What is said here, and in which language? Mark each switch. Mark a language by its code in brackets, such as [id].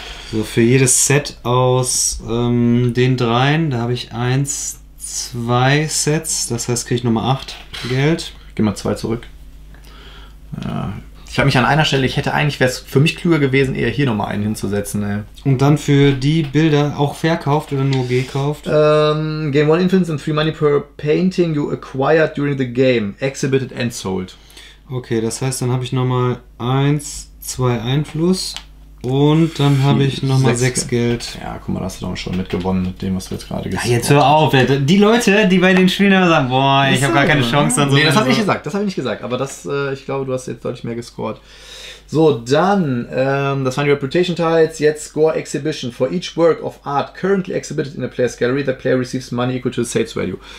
[de] So, für jedes Set aus den dreien, da habe ich 1, 2 Sets. Das heißt, kriege ich nochmal 8 Geld. Geh mal 2 zurück. Ja. Ich habe mich an einer Stelle, ich hätte eigentlich, wäre es für mich klüger gewesen, eher hier nochmal einen hinzusetzen. Ey. Und dann für die Bilder auch verkauft oder nur gekauft? [en] Game 1 Influence and 3 Money per Painting you acquired during the game. Exhibited and sold. [de] Okay, das heißt, dann habe ich nochmal 1, 2 Einfluss und dann habe ich nochmal 6 Geld. Ja, guck mal, hast du doch schon mitgewonnen mit dem, was wir jetzt gerade gesehen haben. Ja, jetzt hör auf. Ey. Die Leute, die bei den Spielen immer sagen, boah, das ich habe gar keine Chance. Und so. Nee, das habe ich nicht gesagt. Das habe ich nicht gesagt. Aber das, ich glaube, du hast jetzt deutlich mehr gescored. So, dann, das waren die Reputation Tiles. Jetzt Score Exhibition. [en] For each work of art currently exhibited in a player's gallery, the player receives money equal to the sales value.